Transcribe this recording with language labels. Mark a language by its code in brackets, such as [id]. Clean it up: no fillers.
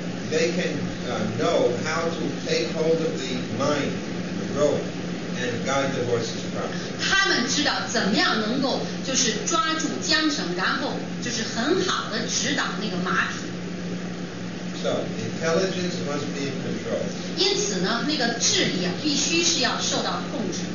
[en] They can know how to take hold of the mind, the rope, and guide the horses properly. [zh] 他们知道怎么样能够就是抓住缰绳，然后就是很好的指导那个马匹。 [en] So intelligence must be in control. [zh] 因此呢，那个智力啊，必须是要受到控制。